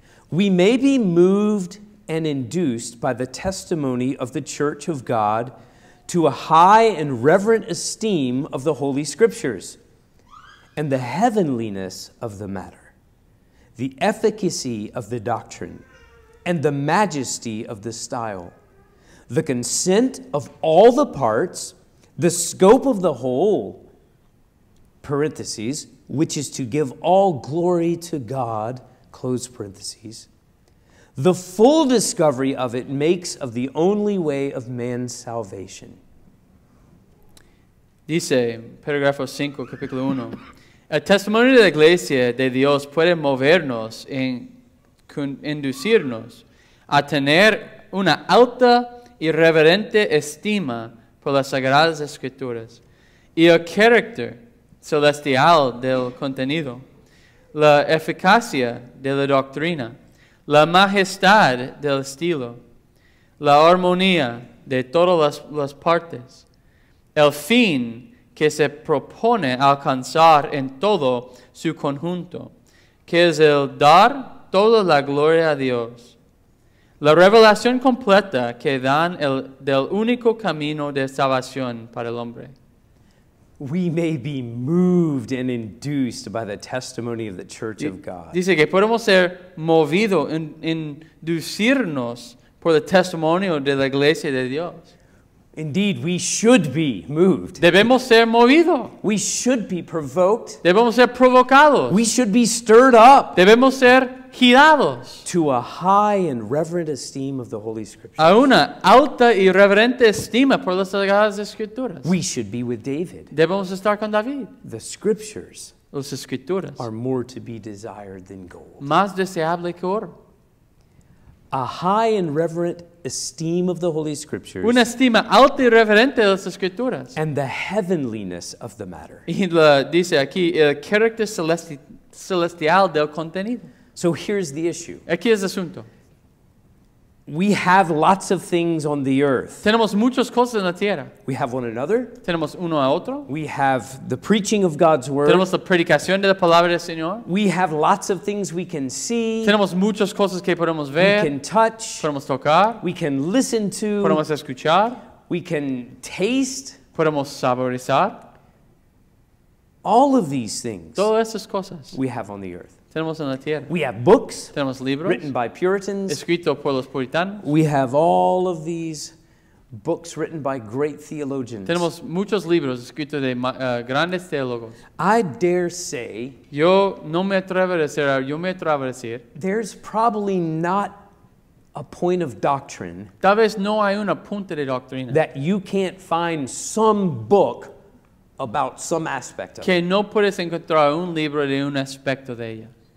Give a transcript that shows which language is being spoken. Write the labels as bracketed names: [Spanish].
[English] We may be moved and induced by the testimony of the Church of God to a high and reverent esteem of the Holy Scriptures and the heavenliness of the matter, the efficacy of the doctrine, and the majesty of the style, the consent of all the parts, the scope of the whole, parentheses, which is to give all glory to God, close parentheses, the full discovery of it makes of the only way of man's salvation. [Spanish] Dice, paragrafo 5, capítulo 1, El testimonio de la iglesia de Dios puede movernos en inducirnos a tener una alta y reverente estima por las Sagradas Escrituras y el carácter celestial del contenido, la eficacia de la doctrina, la majestad del estilo, la armonía de todas las partes, el fin que se propone alcanzar en todo su conjunto, que es el dar toda la gloria a Dios. La revelación completa que dan del único camino de salvación para el hombre. [English] We may be moved and induced by the testimony of the Church of God. [Spanish] Dice que podemos ser movido, inducirnos por el testimonio de la Iglesia de Dios. [English] Indeed, we should be moved. [Spanish] Debemos ser movido. [English] We should be provoked. [Spanish] Debemos ser provocados. [English] We should be stirred up. [Spanish] Debemos ser girados. [English] To a high and reverent esteem of the Holy Scriptures. [Spanish] A una alta y reverente estima por las Sagradas Escrituras. [English] We should be with David. [Spanish] Debemos estar con David. [English] The Scriptures, [Spanish] las Escrituras, [English] are more to be desired than gold. [Spanish] Más deseable que oro. [English] A high and reverent esteem of the Holy Scriptures. [Spanish] Una estima alta y reverente de las Escrituras. [English] And the heavenliness of the matter. [Spanish] Y la, dice aquí, el carácter celestial del contenido. [English] So here's the issue. [Spanish] Aquí es el asunto. [English] We have lots of things on the earth. [Spanish] Tenemos muchas cosas en la tierra. [English] We have one another. [Spanish] Tenemos uno a otro. [English] We have the preaching of God's word. [Spanish] Tenemos la predicación de la palabra del Señor. [English] We have lots of things we can see. [Spanish] Tenemos muchas cosas que podemos ver. [English] We can touch. [Spanish] Podemos tocar. [English] We can listen to. [Spanish] Podemos escuchar. [English] We can taste. [Spanish] Podemos saborizar. [English] All of these things. [Spanish] Todas esas cosas. [English] We have on the earth. [Spanish] Tenemos en la tierra. [English] We have books. [Spanish] Tenemos libros. [English] Written by Puritans. [Spanish] Escrito por los puritanos. [English] We have all of these books written by great theologians. [Spanish] Tenemos muchos libros escritos de grandes teólogos. [English] I dare say. [Spanish] Yo no me atrevo a decir. Yo me atrevo a decir. [English] There's probably not a point of doctrine. [Spanish] Tal vez no hay una punta de doctrina. [English] That you can't find some book about some aspect of [Spanish] que no puedes encontrar un libro de un aspecto de ella.